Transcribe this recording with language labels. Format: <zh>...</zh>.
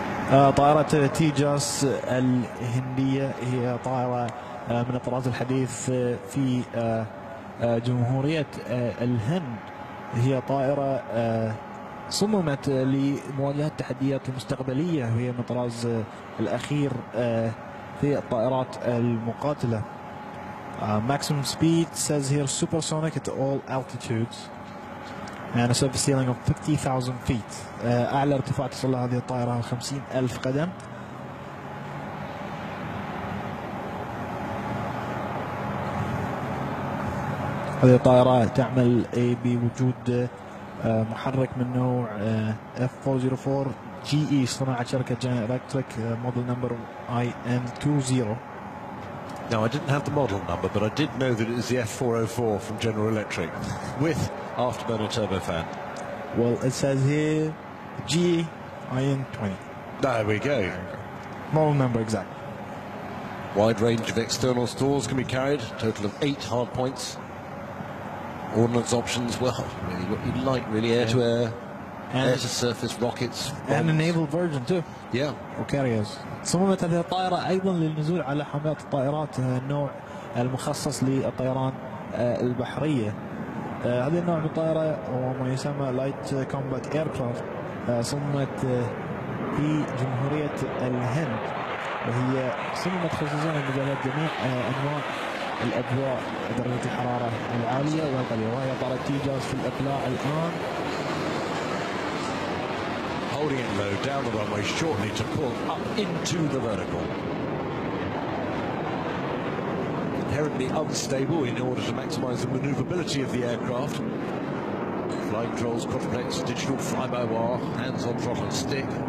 <ar>طائرة تيجاس الهندية هي طائرة من الطراز الحديث في جمهورية الهند. هي طائرة صممت لمواجهة التحديات المستقبلية وهي من الطراز الأخير في الطائرات المقاتلة.</ar> <en>Maximum speed says here supersonic at all altitudes and a surface ceiling of 50,000 feet.</en> <ar>أعلى ارتفاع تصل له هذه الطائرة 50,000 قدم. هذه الطائرة تعمل بوجود محرك من نوع F404 GE صناعة شركة جنرال إلكتريك موديل نمبر IN20.</ar> <en>Now I didn't have the model number, but I did know that it was the F404 from General Electric with afterburner turbofan. Well, it says here GE IN20. There we go. Model number exact. Wide range of external stores can be carried, total of 8 hard points. Ordnance options, well, really what you'd like, really, air to air, air to surface, rockets, bombs. And a naval version too. Yeah. Or carriers.</en> <ar>صممت هذه الطائرة أيضا للنزول على حاميات الطائرات النوع المخصص للطيران البحرية. هذه النوع من الطائرة هو ما يسمى لايت كومبات ايركرافت. صممت في جمهورية الهند وهي صممت خصوصا لمجالات جميع أنواع الأجواء درجة الحرارة العالية والقليلة. وهي طائرة تيجاس في الإقلاع الآن.</ar> <en>Holding it low down the runway shortly to pull up into the vertical. Inherently unstable in order to maximize the maneuverability of the aircraft. Flight controls, quadruplex, digital fly-by-wire, hands on throttle and stick.</en>